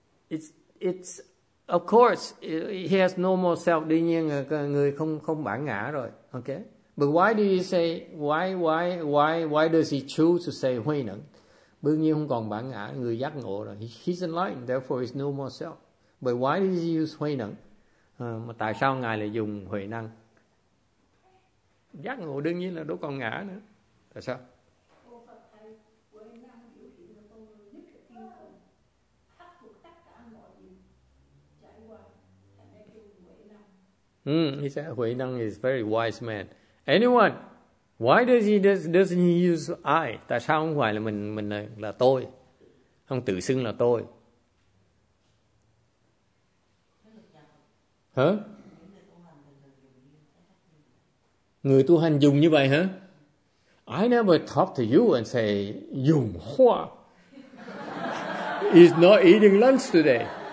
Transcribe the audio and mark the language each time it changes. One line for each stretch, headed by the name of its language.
English: It's of course he has no more self.
Vietnamese: Đương nhiên người không bản ngã rồi, okay?
English: But why do you say why does he choose to say huy năng?
Vietnamese: Đương nhiên không còn bản ngã, người giác ngộ rồi.
English: He's enlightened, therefore he's no more self. But why does he use huy năng?
Vietnamese: Mà tại sao ngài lại dùng huy năng? Giác ngộ đương nhiên là đâu còn ngã nữa. Tại sao?
English: He said, Huệ Năng is a very wise man. Anyone, why doesn't he use I?
Vietnamese: Tại sao không phải là mình là tôi? Không tự xưng là tôi. Hả? Người tu hành dùng như vậy hả?
English: I never talk to you and say, Dùng Hoa is not eating lunch today.